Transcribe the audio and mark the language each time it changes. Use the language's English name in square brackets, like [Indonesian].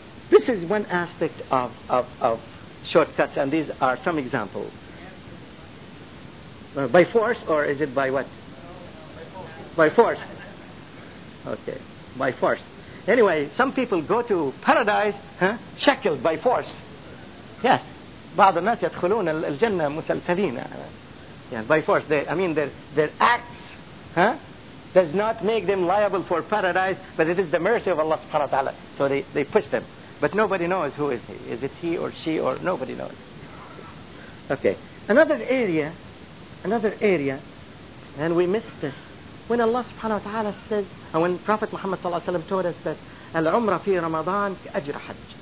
[English] This is one aspect of shortcuts, and these are some examples. By force, or is it by what? By force. Okay, by force. Anyway, some people go to paradise, huh? Shackled by force. Yes. [Arabic] بعض الناس يدخلون الجنة مسلسلين. [English] By force, their acts, does not make them liable for paradise, but it is the mercy of Allah subhanahu wa ta'ala. So they push them. But nobody knows who is he. Is it he or she or nobody knows. Okay. Another area, and we missed this, when Allah subhanahu wa ta'ala says, and when Prophet Muhammad sallallahu alayhi wa sallam told us that [Arabic] Al-Umrah fi Ramadan ki ajr hajj.